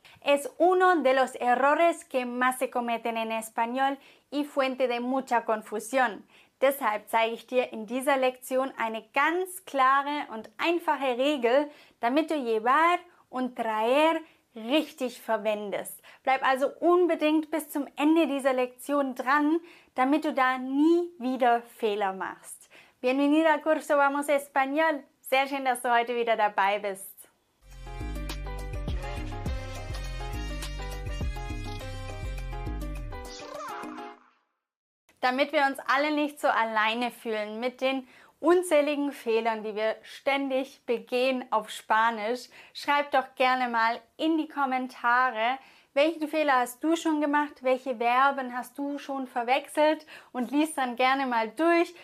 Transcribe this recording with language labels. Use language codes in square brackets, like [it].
[es] Es uno de los errores que más se cometen en español y fuente de mucha confusión. [de] Deshalb zeige ich dir in dieser Lektion eine ganz klare und einfache Regel, damit du llevar und traer richtig verwendest. Bleib also unbedingt bis zum Ende dieser Lektion dran, damit du da nie wieder Fehler machst. [es] Bienvenido al curso Vamos Español. [de] Sehr schön, dass du heute wieder dabei bist. Damit wir uns alle nicht so alleine fühlen mit den unzähligen Fehlern, die wir ständig begehen auf Spanisch, schreib doch gerne mal in die Kommentare, welchen Fehler hast du schon gemacht, welche Verben hast du schon verwechselt und lies dann gerne mal durch.